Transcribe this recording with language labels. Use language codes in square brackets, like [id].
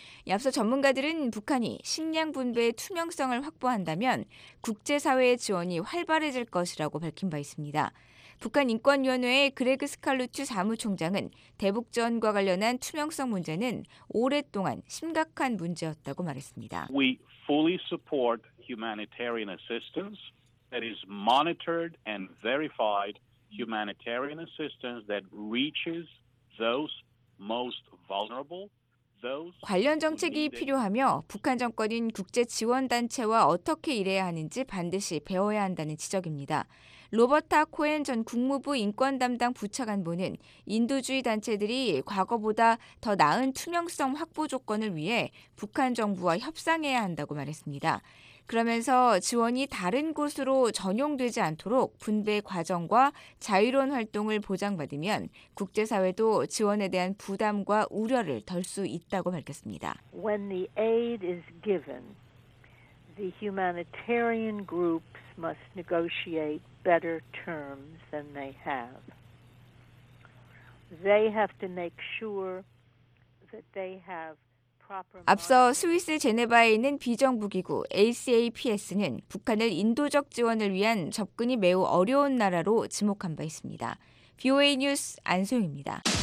[ko] 앞서 전문가들은 북한이 식량 분배의 투명성을 확보한다면 국제사회의 지원이 활발해질 것이라고 밝힌 바 있습니다. 북한인권위원회의 그레그 스칼루츠 사무총장은 대북 지원과 관련한 투명성 문제는 오랫동안 심각한 문제였다고 말했습니다. [en] We fully support humanitarian assistance that is monitored and verified humanitarian assistance that reaches those most vulnerable. [ko] 관련 정책이 필요하며 북한 정권인 국제 지원 단체와 어떻게 일해야 하는지 반드시 배워야 한다는 지적입니다. 로버타 코엔 전 국무부 인권 담당 부차관보는 인도주의 단체들이 과거보다 더 나은 투명성 확보 조건을 위해 북한 정부와 협상해야 한다고 말했습니다. 그러면서 지원이 다른 곳으로 전용되지 않도록 분배 과정과 자유로운 활동을 보장받으면 국제사회도 지원에 대한 부담과 우려를 덜 수 있다고 밝혔습니다. [en] When the aid is given, the humanitarian groups must negotiate better terms than they have. They have to make sure that they have [ko] 앞서 스위스 제네바에 있는 비정부기구 ACAPS는 북한을 인도적 지원을 위한 접근이 매우 어려운 나라로 지목한 바 있습니다. VOA 뉴스 안소영입니다.